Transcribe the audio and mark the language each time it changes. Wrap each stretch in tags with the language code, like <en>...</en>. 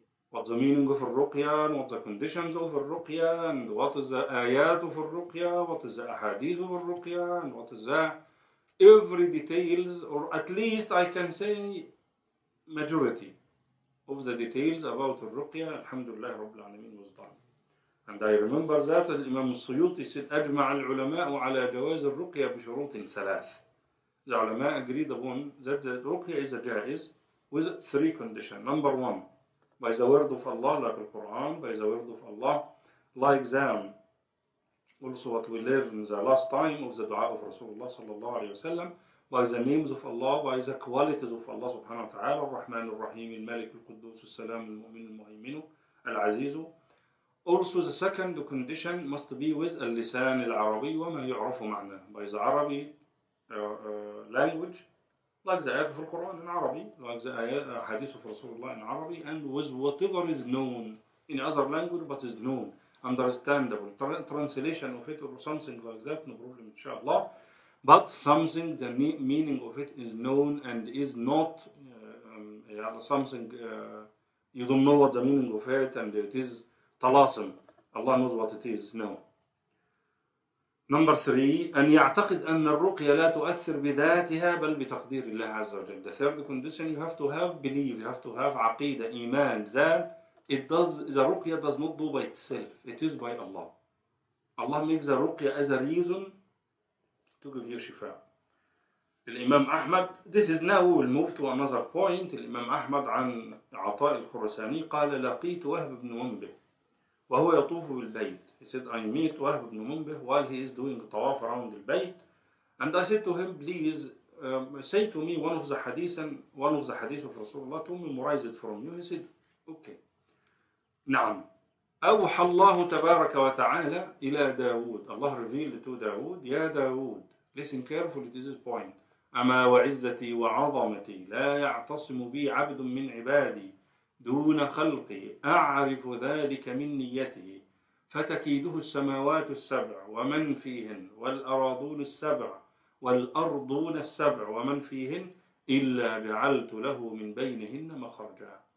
<en>What's the meaning of ruqya, and what's the conditions of ruqya, and what is the ayat of ruqya, what is the ahadith of ruqya, and what is the every details, or at least I can say, majority of the details about الرقية alhamdulillah رب العالمين was done. And I remember that</en> <ar>الإمام السيوطي said أجمع العلماء على جواز الرقية بشروط ثلاث.</ar> <en>The ulama agreed upon that the ruqya is a jaiz with three conditions. Number one, by the word of Allah like the Quran, by the word of Allah like them. Also what we learned the last time of the dua of Rasulullah صلى الله عليه وسلم by the names of Allah, by the qualities of Allah subhanahu wa ta'ala, al-Rahman, al-Rahim, al-Malik, al-Quddus, al-Salam, al-Mu'min, al-Mu'minu, al-Azizu. Also the second condition must be with</en> <ar>al-Lisan al-Arabi wa ma yu'rafu ma'na.</ar> <en>By the Arabic language, like the ayat of the Quran in Arabic, like the hadith of Rasulullah in Arabic, and with whatever is known in other language but is known, understandable, translation of it or something like that, no problem, inshallah. But something, the meaning of it is known and is not something you don't know what the meaning of it and it is talasim. Allah knows what it is. No. Number three,</en> <ar>أن يعتقد أن الرقية لا تؤثر بذاتها بل بتقدير الله عز وجل.</ar> <en>The third condition, you have to have belief, you have to have عقيدة, إيمان, that it does, the رقية does not do by itself. It is by Allah. Allah makes the رقية as a reason to give you shifa. الإمام أحمد, this is now we will move to another point.</en> <ar>الإمام أحمد عن عطاء الخرساني قال لقيت وهب بن منبه وهو يطوف بالبيت.</ar> <en>He said I meet وهب بن منبه while he is doing طواف around the بيت. And I said to him, please say to me one of the hadith and one of the hadith of Rasulullah to me memorized from you. He said, okay. نعم.</en> <ar>أوحى الله تبارك وتعالى إلى داود.</ar> <en>Allah revealed to داود, يا داود. Listen carefully to this point.</en> <ar>أما وعزتي وعظمتي لا يعتصم بي عبد من عبادي دون خلقي أعرف ذلك من نيته فتكيده السماوات السبع ومن فيهن والأراضون السبع والأرضون السبع ومن فيهن إلا جعلت له من بينهن مخرجا.</ar>